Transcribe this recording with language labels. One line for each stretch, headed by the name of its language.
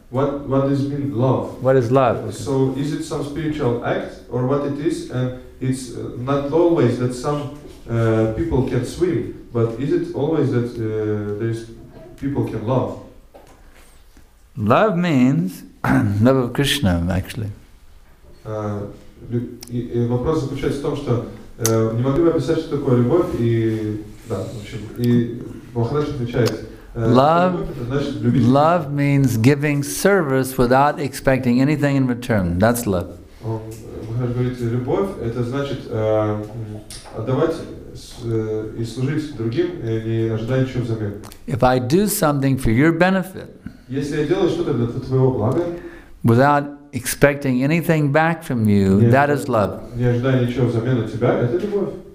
English: What does mean love? What is love? Okay. So is it some spiritual act or what it is? And it's not always that some people can swim, but is it always that there's people can love? Love means love of Krishna, actually.
Russian: Вопрос заключается в том, что не могли бы описать, что такое любовь, и да, в общем, и Махарадж отвечает.
English: Love means giving service without expecting anything in return. That's love.
Russian: Махарадж говорит, любовь это значит отдавать и служить другим, не ожидая ничего взамен.
English: If I do something for your benefit,
Russian: если я делаю что-то для твоего блага,
English: without expecting anything back from you, that is love.
Russian: Не ожидая ничего взамен от тебя, это любовь.